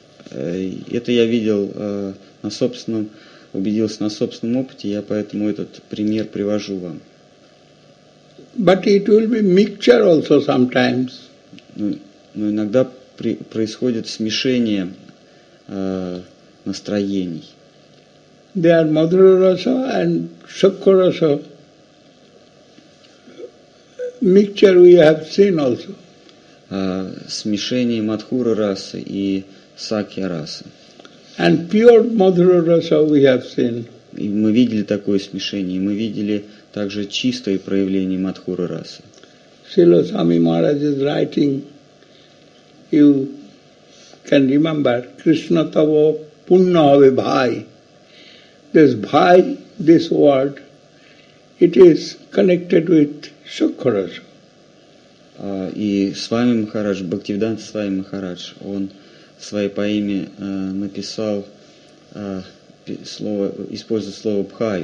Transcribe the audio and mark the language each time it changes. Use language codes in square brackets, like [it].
[ru] Это я видел убедился на собственном опыте, я поэтому этот пример привожу вам. [en] But it will be mixture also sometimes. [ru] Но иногда происходит смешение настроений. [en] They are Madhura Rasa and Sukha Rasa. Mixture we have seen also. [ru] Смешение Мадхура Расы и Сакья Расы. [en] And pure Madhura Rasa we have seen. [ru] И мы видели такое смешение, мы видели также чистое проявление Мадхура Расы. [en] Srila Swami Maharaj is writing, you can remember, Krishna Tava Punna Ave Bhai. This Bhai, this word, it is connected with Sukha Rasa. [ru] И Свами Махарадж, Бхактивиданта Свами Махарадж, он в своей поэме написал слово, использует слово «бхай».